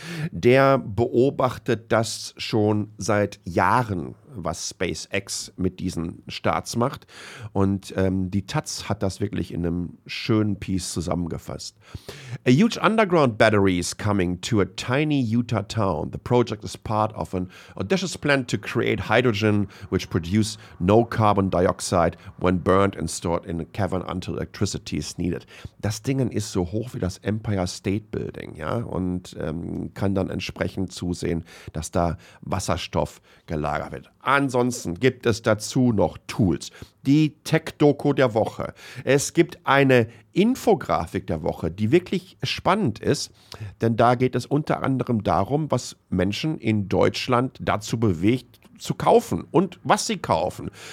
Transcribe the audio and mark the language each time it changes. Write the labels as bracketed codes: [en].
[de] Der beobachtet das schon seit Jahren, was SpaceX mit diesen Starts macht. Und die Taz hat das wirklich in einem schönen Piece zusammengefasst. [en] A huge underground battery is coming to a tiny Utah town. The project is part of an audacious plan to create hydrogen, which produce no carbon dioxide when burned and stored in a cavern until electricity is needed. [de] Das Ding ist so hoch wie das Empire State Building, ja, und kann dann entsprechend zusehen, dass da Wasserstoff gelagert wird. Ansonsten gibt es dazu noch Tools. Die Tech-Doku der Woche. Es gibt eine Infografik der Woche, die wirklich spannend ist, denn da geht es unter anderem darum, was Menschen in Deutschland dazu bewegt, zu kaufen und was sie kaufen.